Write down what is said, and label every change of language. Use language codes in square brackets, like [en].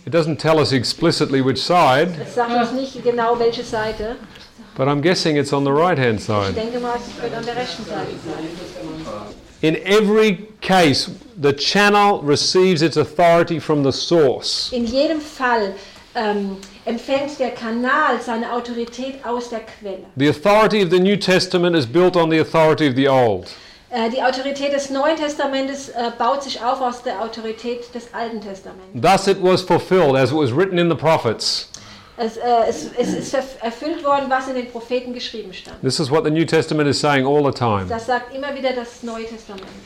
[en] It doesn't tell us explicitly which side. [de] Es sagt uns nicht genau welche Seite. [en] But I'm guessing it's on the right hand side. [de] Ich denke mal, es wird an der rechten Seite sein. [en] In every case, the channel receives its authority from the source. [de] In jedem Fall empfängt der Kanal seine Autorität aus der Quelle. [en] The authority of the New Testament is built on the authority of the Old. [de] Die Autorität des Neuen Testamentes baut sich auf aus der Autorität des Alten Testaments. [en] Thus it was fulfilled, as it was written in the prophets. [de] Es ist erfüllt worden, was in den Propheten geschrieben stand. [en] This is what the New Testament is saying all the time. [de] Das sagt immer wieder das Neue Testament.